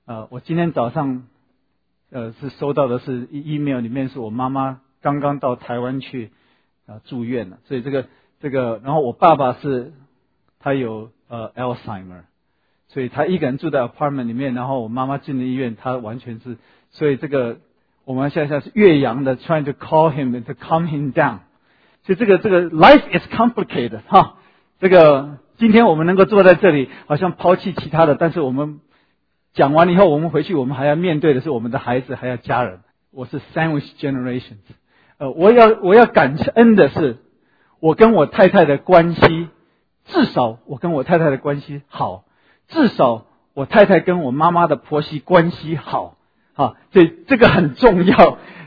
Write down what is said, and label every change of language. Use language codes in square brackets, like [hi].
[zh] 我今天早上是收到的是 email 里面是我妈妈刚刚到台湾去住院了。所以这个然后我爸爸是他有Alzheimer。所以他一个人住在 apartment 里面，然后我妈妈进了医院，他完全是，所以这个我们现在是岳阳的 [en] trying to call him and to calm him down。 [zh] 所以这个 [en] life is complicated， [zh] 哈。这个今天我们能够坐在这里好像抛弃其他的，但是我们讲完以后我们回去我们还要面对的是我们的孩子还要家人。我是 [en] sandwich generation。 [zh] 我要感恩的是我跟我太太的关系，至少我跟我太太的关系好，至少我太太跟我妈妈的婆媳关系好，所以这个很重要。